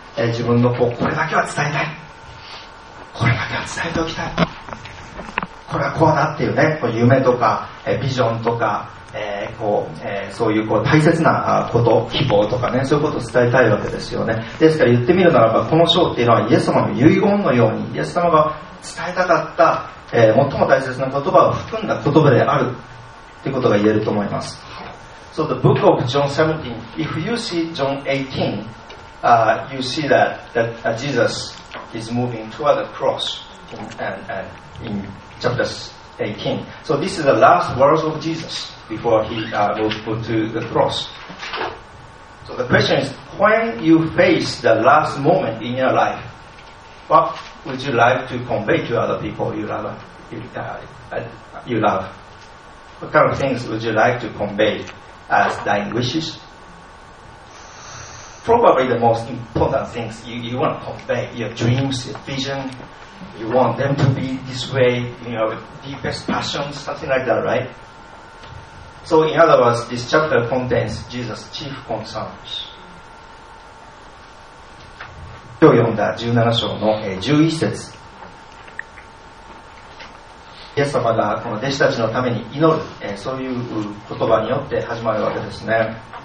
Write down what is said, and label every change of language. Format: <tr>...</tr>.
<ja>自分のこう、これだけは伝えたい、これだけは伝えておきたい、これはこうだっていうね、こう夢とか、ビジョンとか、こう、そういう、こう大切なこと、希望とかね、そういうことを伝えたいわけですよね。ですから言ってみるならば、この章っていうのはイエス様の遺言のように、イエス様が伝えたかった、最も大切な言葉を含んだ言葉であるということが言えると思います。</ja> <en>So the book of John 17, if you see John 18, you see that Jesus is moving toward the cross in chapter 18. So this is the last words of Jesus before he was put to the cross. So the question is, when you face the last moment in your life, what would you like to convey to other people you love? What kind of things would you like to convey as dying wishes? Probably the most important things you want to convey, your dreams, your vision. You want them to be this way, you know, deepest passion, something like that, right? So in other words, this chapter contains Jesus' chief concerns.</en> <ja>今日読んだ17章の11節、イエス様がこの弟子たちのために祈る、そういう言葉によって始まるわけですね。</ja>